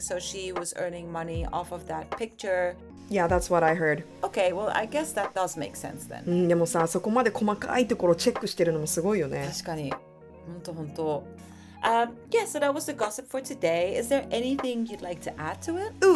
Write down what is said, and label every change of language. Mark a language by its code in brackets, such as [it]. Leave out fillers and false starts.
[en] So she was earning money off of that picture. Yeah, that's what I heard. Okay, well, I guess that does make sense then. [ja] でもさ、そこまで細かいところをチェックしてるのもすごいよね。確かに。本当本当。 [en] Yeah, so that was the gossip for today. Is there anything you'd like to add to it?